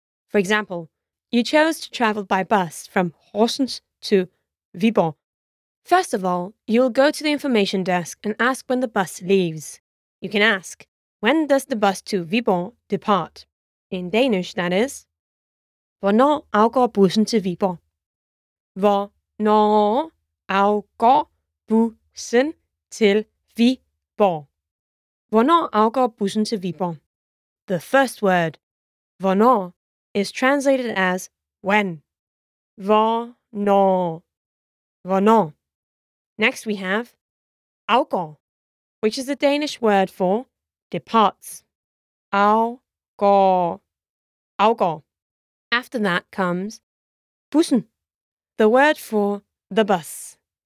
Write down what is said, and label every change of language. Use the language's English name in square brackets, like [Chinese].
[English] For example, you chose to travel by bus from Horsens to Viborg. First of all, you'll go to the information desk and ask when the bus leaves. You can ask, when does the bus to Viborg depart? In Danish, that is, [Danish] hvornår afgår bussen til Viborg? Hvornår afgår bussen til Viborg? Hvornår afgår bussen til Viborg? [English] The first word, hvornår, is translated as when. Hvornår. Hvornår. Next we have afgår, which is the Danish word for departs. Afgår. Afgår. After that comes bussen, the word for the bus.